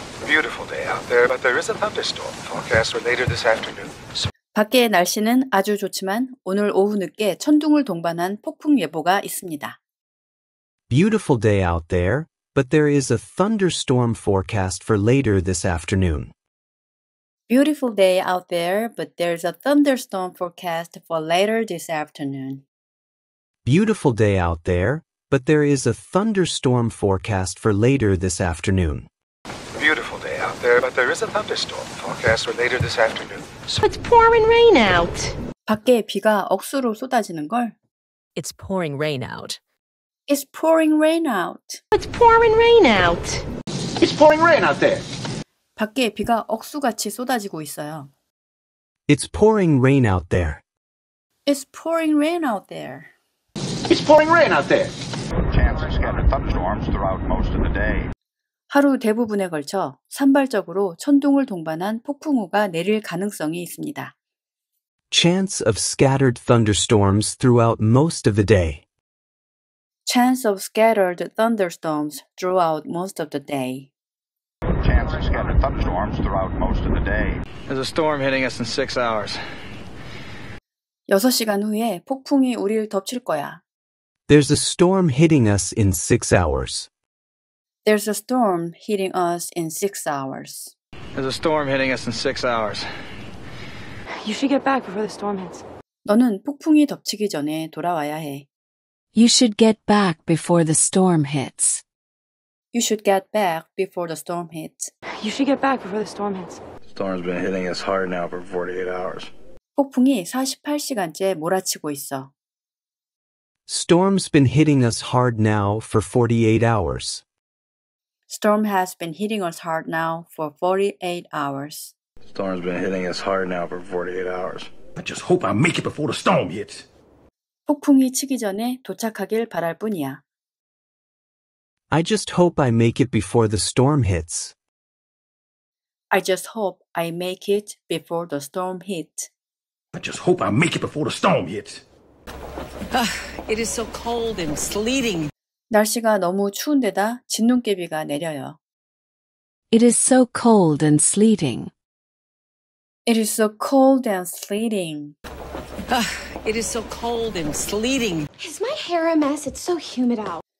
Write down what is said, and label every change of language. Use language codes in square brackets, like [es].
[en] Beautiful day out there, but there is a thunderstorm forecast for later this afternoon. [ko] 밖에 날씨는 아주 좋지만 오늘 오후 늦게 천둥을 동반한 폭풍 예보가 있습니다. [en] Beautiful day out there, but there is a thunderstorm forecast for later this afternoon. Beautiful day out there, but there's a thunderstorm forecast for later this afternoon. Beautiful day out there, but there is a thunderstorm forecast for later this afternoon. Beautiful day out there, but there is a thunderstorm forecast for later this afternoon. So it's pouring rain out. [ko] 밖에 비가 억수로 쏟아지는 걸. [en] It's pouring rain out. It's pouring rain out. It's pouring rain out. It's pouring rain out there. [ko] 밖에 비가 억수같이 쏟아지고 있어요. [en] It's pouring rain out there. It's pouring rain out there. It's pouring rain out there. Chances of scattered thunderstorms throughout most of the day. [ko] 하루 대부분에 걸쳐 산발적으로 천둥을 동반한 폭풍우가 내릴 가능성이 있습니다. [en] Chance of scattered thunderstorms throughout most of the day. Chance of scattered thunderstorms throughout most of the day. Chance of scattered thunderstorms throughout most of the day. There's a storm hitting us in 6 hours. [ko] 6시간 후에 폭풍이 우리를 덮칠 거야. [en] There's a storm hitting us in 6 hours. There's a storm hitting us in 6 hours. There's a storm hitting us in 6 hours. You should get back before the storm hits. [ko] 너는 폭풍이 덮치기 전에 돌아와야 해. [en] You should get back before the storm hits. You should get back before the storm hits. You should get back before the storm hits. The storm's been hitting us hard now for 48 hours. [ko] 폭풍이 48시간째 몰아치고 있어. [en] Storm's been hitting us hard now for 48 hours. Storm has been hitting us hard now for 48 hours. Storm's been hitting us hard now for 48 hours. I just hope I make it before the storm hits. [ko] 폭풍이 치기 전에 도착하길 바랄 뿐이야. [en] I just hope I make it before the storm hits. I just hope I make it before the storm hits. I just hope I make it before the storm hits. It is so cold and sleeting. [ko] 날씨가 너무 추운데다 진눈깨비가 내려요. [en] It is so cold and sleeting. It is so cold and sleeting. It is so cold and sleeting. Is my hair a mess? It's so humid out.